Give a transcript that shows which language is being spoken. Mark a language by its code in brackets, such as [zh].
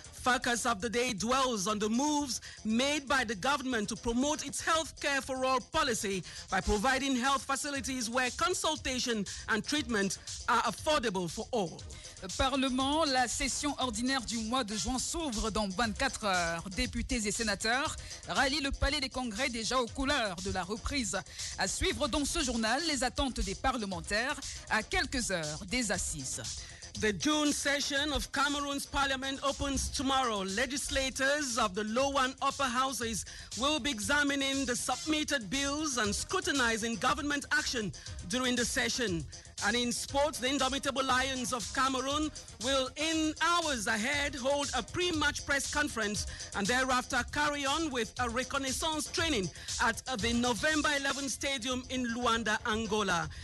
[en] Focus of the day dwells on the moves made by the government to promote its healthcare for all policy by providing health facilities where consultation and treatment are affordable for all. [fr] Parlement, la session ordinaire du mois de juin s'ouvre dans 24 heures. Députés et sénateurs rallient le palais des congrès déjà aux couleurs de la reprise. À suivre dans ce journal les attentes des parlementaires à quelques heures des assises. [en] The June session of Cameroon's parliament opens tomorrow. Legislators of the lower and upper houses will be examining the submitted bills and scrutinizing government action during the session. And in sports, the Indomitable Lions of Cameroon will, in hours ahead, hold a pre-match press conference and thereafter carry on with a reconnaissance training at the November 11 stadium in Luanda, Angola.